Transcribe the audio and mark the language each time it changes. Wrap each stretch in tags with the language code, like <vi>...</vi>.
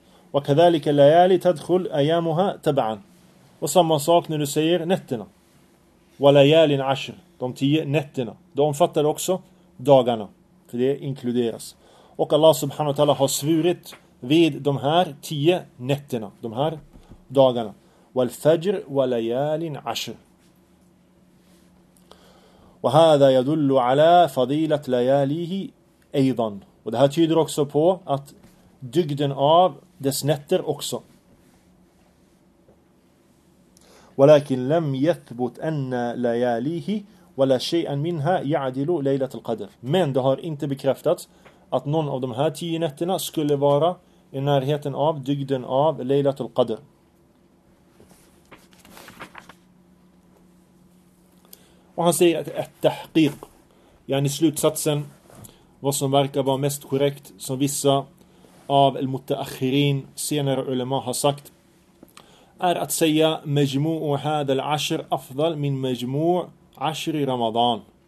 <ar>Wa kadhalika layali tadkhul ayamuha taban.</ar> <sv>Och samma sak när du säger nätterna,</sv> <ar>wa layalin ashr,</ar> <sv>de 10 nätterna, de omfattar också dagarna, för det inkluderas. Och Allah subhanahu wa ta'ala har svurit vid de här 10 nätterna, de här dagarna.</sv> <ar>Wal fajr wa layalin ashr. وهذا يدل على فضيلة لياليه أيضا.</ar> <sv>Och det här tyder också på att dygden av dess nätter också.</sv> <ar>ولكن لم يثبت أن لياليه ولا شيئا منها يعدل ليلة القدر.</ar> <sv>Men det har inte bekräftats att någon av de här 10 nätterna skulle vara i närheten av dygden av Laylatul Qadr. Och han säger att ett tahqiq, yani slutsatsen, vad som verkar vara mest korrekt, som vissa av al-mutaakhirin, senare ulema, har sagt, är att säga</sv> <ar>majmu'u hadha al-ashr afdal min majmu'u 'ashr Ramadan.</ar>